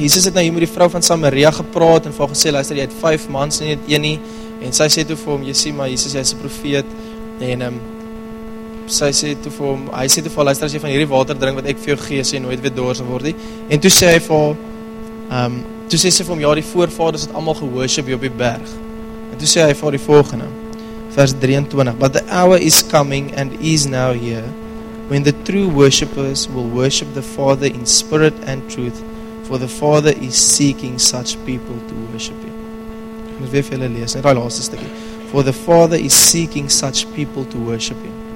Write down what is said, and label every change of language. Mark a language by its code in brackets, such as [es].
[af] Jesus het nou hier met die vrou van Samaria gepraat en vir haar gesê luister jy het 5 mans en net een nie en sy sê toe vir hom jy sien maar Jesus jy is 'n profeet en sy sê toe vir hom hy sê toe vir luister as jy van hierdie water drink wat ek vir jou gee sê nooit weer dors word nie. En toe sê hy vir haar toe sê sy vir hom, ja die voorvaders het allemaal gehoorship hier op die berg. En toe sê hy vir die volgende, vers 23, [en] but the hour is coming and is now here, when the true worshippers will worship the Father in spirit and truth, for the Father is seeking such people to worship him. [af] Ek moet weer vir julle lees, net die laaste stukkie. [en] For the Father is seeking such people to worship him.